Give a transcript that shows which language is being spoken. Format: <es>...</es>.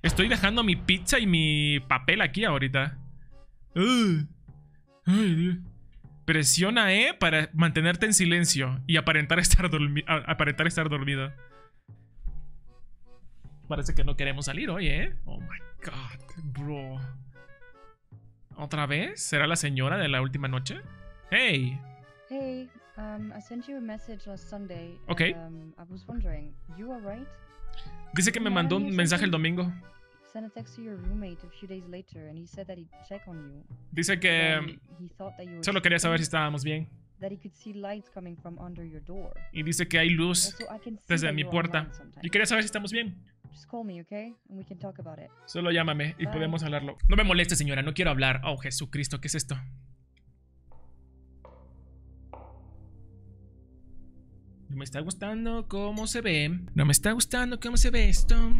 <es>Estoy dejando mi pizza y mi papel aquí ahorita. Ay, Dios. Presiona, ¿eh? Para mantenerte en silencio y aparentar estar dormido. Parece que no queremos salir hoy, ¿eh?</es> <en>Oh, my God, bro.</en> <es>¿Otra vez? ¿Será la señora de la última noche?</es> <en>¡Hey! Hey, I sent you a message last Sunday. Ok. I was wondering, you are right?</en> <es>Dice que me mandó un mensaje el domingo.</es> <en>Sent a text to your roommate a few days later and he said that he'd check on you.</en> <es>Dice que... Solo quería saber si estábamos bien.</es> <en>That he could see lights coming from under your door.</en> <es>Y dice que hay luz desde mi puerta. Y quería saber si estamos bien.</es> <en>Just call me, okay? And we can talk about it.</en> <es>Solo llámame y podemos hablarlo. No me moleste, señora, no quiero hablar. Oh, Jesucristo, ¿qué es esto? No me está gustando cómo se ve. No me está gustando cómo se ve esto.</es>